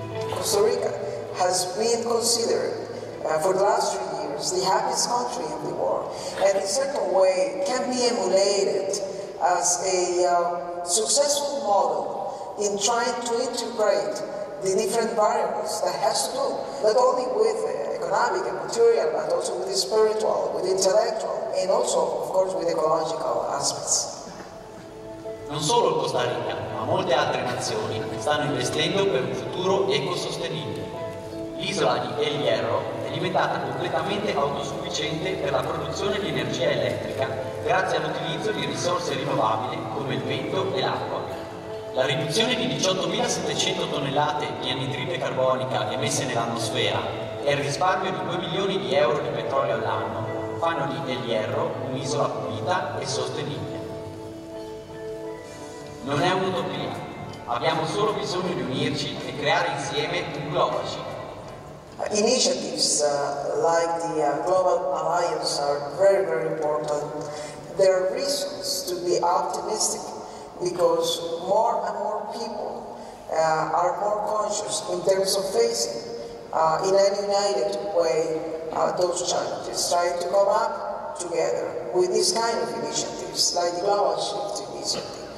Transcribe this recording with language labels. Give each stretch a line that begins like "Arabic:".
English: Costa Rica has been considered for the last 3 years the happiest country in the world, and in a certain way can be emulated as a successful model in trying to integrate the different variables that has to do not only with economic and material, but also with the spiritual, with the intellectual, and also, of course, with ecological aspects.
Italian: Non solo Costa Rica, ma molte altre nazioni stanno investendo per un futuro ecosostenibile. L'isola di El Hierro è diventata completamente autosufficiente per la produzione di energia elettrica grazie all'utilizzo di risorse rinnovabili come il vento e l'acqua. La riduzione di 18.700 tonnellate di anidride carbonica emesse nell'atmosfera e il risparmio di 2 milioni di euro di petrolio all'anno fanno di El Hierro un'isola pulita e sostenibile. Non è un'utopia, abbiamo solo bisogno di unirci e creare insieme un globale.
English: Initiatives like the Global Alliance are very, very important. There are reasons to be optimistic because more and more people are more conscious in terms of facing in a united way those challenges, trying to come up together with this kind of initiatives like the Global Shift Initiative.